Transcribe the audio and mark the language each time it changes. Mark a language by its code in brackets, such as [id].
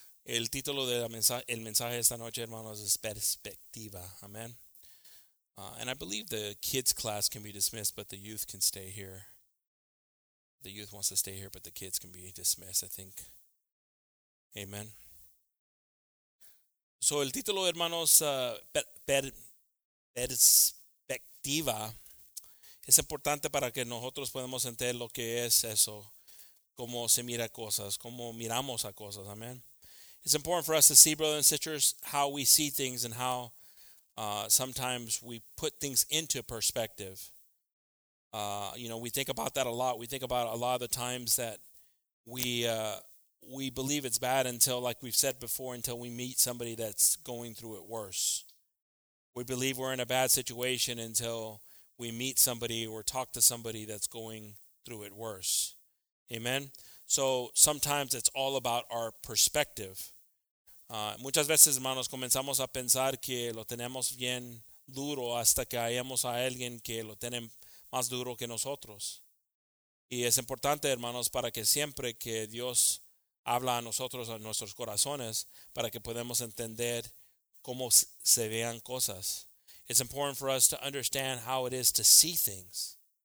[es] El título de el mensaje esta noche, hermanos, es Perspectiva. [en] Amen. And I believe the kids' class can be dismissed, but the youth can stay here. The youth wants to stay here, but the kids can be dismissed, I think. Amen. [es] So, el título, hermanos, Perspectiva, es importante para que nosotros podamos entender lo que es eso, cómo se mira cosas, cómo miramos a cosas, amen. [en] It's important for us to see, brothers and sisters, how we see things and how sometimes we put things into perspective. You know, we think about that a lot. We think about a lot of the times that we believe it's bad until, like we've said before, until we meet somebody that's going through it worse. We believe we're in a bad situation until we meet somebody or talk to somebody that's going through it worse. Amen? So sometimes it's all about our perspective. [es] Muchas veces, hermanos, comenzamos a pensar que lo tenemos bien duro hasta que hayamos a alguien que lo tiene más duro que nosotros. Y es importante, hermanos, para que siempre que Dios habla a nosotros, a nuestros corazones, para que podamos entender cómo se vean cosas. [en] It's important for us to understand how it is to see things.